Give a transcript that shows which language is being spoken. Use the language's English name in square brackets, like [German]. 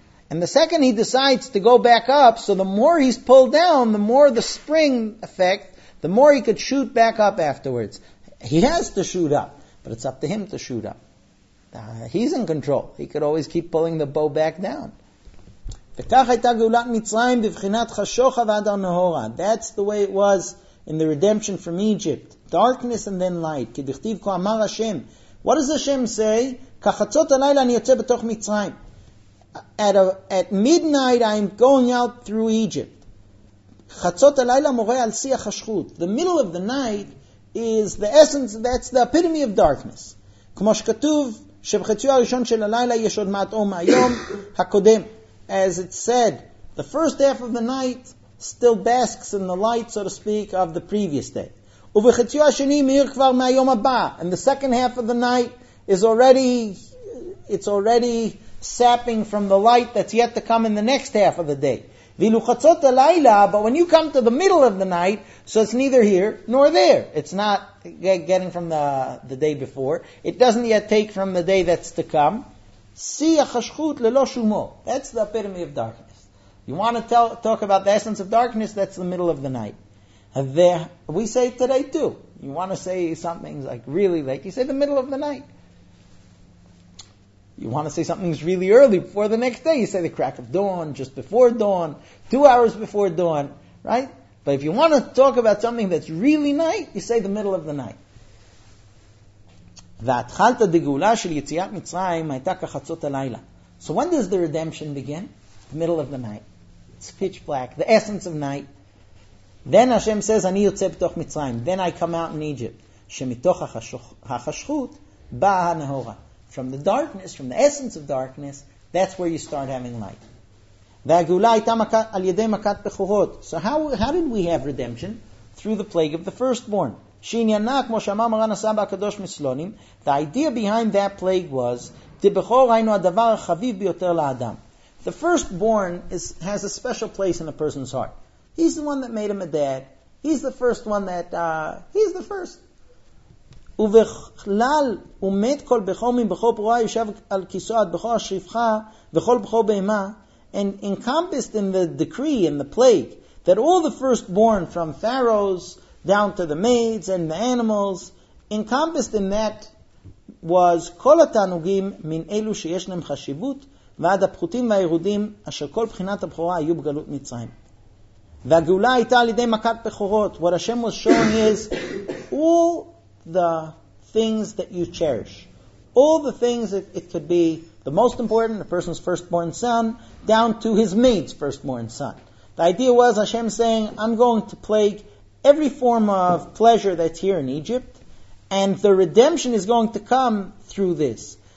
[English] And the second he decides to go back up, so the more he's pulled down, the more the spring effect, the more he could shoot back up afterwards. He has to shoot up, but it's up to him to shoot up. He's in control. He could always keep pulling the bow back down. [Hebrew] וכך הייתה גאולת מצרים בבחינת חשוך עד הנהורה. [English] That's the way it was in the redemption from Egypt. Darkness and then light. [Hebrew] כדכתיב כה אמר השם. [English] What does Hashem say? [Hebrew] כחצות הלילה אני יוצא בתוך מצרים. [English] At midnight I'm going out through Egypt. [Hebrew] חצות הלילה מורה על שיח השחות. [English] The middle of the night is the essence, that's the epitome of darkness. [Hebrew] כמו שכתוב, שבחציו הראשון של הלילה יש עוד מעט אור מהיום הקודם. [English] As it said, the first half of the night still basks in the light, so to speak, of the previous day. [Hebrew] ובחציו השני מאיר כבר מהיום הבא. [English] And the second half of the night is already, it's already sapping from the light that's yet to come in the next half of the day. [Hebrew] ואילו חצות הלילה, [English] but when you come to the middle of the night, so it's neither here nor there. It's not getting from the day before. It doesn't yet take from the day that's to come. [Hebrew] שיח השחות ללא שומו. [English] That's the epitome of darkness. You want to talk about the essence of darkness, that's the middle of the night. And there, we say today too. You want to say something like really late, you say the middle of the night. You want to say something's really early before the next day, you say the crack of dawn, just before dawn, 2 hours before dawn, right? But if you want to talk about something that's really night, you say the middle of the night. [Hebrew] והתחלת הגאולה של יציאת מצרים הייתה כחצות הלילה. [English] So when does the redemption begin? The middle of the night. It's pitch black, the essence of night. Then Hashem says, [Hebrew] אני יוצא בתוך מצרים. [English] Then I come out in Egypt. [Hebrew] שמתוך החשכות באה הנהורה. [English] From the darkness, from the essence of darkness, that's where you start having light. [Hebrew] והגאולה הייתה על ידי מכת בכורות. [English] So how did we have redemption? Through the plague of the firstborn. [Hebrew] שעניינה, כמו שאמר מרן הסבא הקדוש מסלונים, [English] the idea behind that plague was, [Hebrew] דבכור היינו הדבר החביב ביותר לאדם. [English] The firstborn has a special place in a person's heart. He's the one that made him a dad. He's the first one he's the first. [Hebrew] ובכלל, ומת כל בכור מבכור פרועה יושב על כיסו עד בכור השפחה וכל בכור בהמה, [English] and encompassed in the decree, in the plague, that all the firstborn from Pharaoh's down to the maids and the animals, encompassed in that was [Hebrew] כל התענוגים מן אלו שיש להם חשיבות ועד הפחותים והירודים אשר כל בחינת הבכורה היו בגלות מצרים. והגאולה הייתה על ידי מכת בכורות. [English] What Hashem was showing is all the things that you cherish, all the things that it could be the most important, a person's firstborn son, down to his maid's firstborn son. The idea was Hashem saying, I'm going to plague every form of pleasure that's here in Egypt, and the redemption is going to come through this.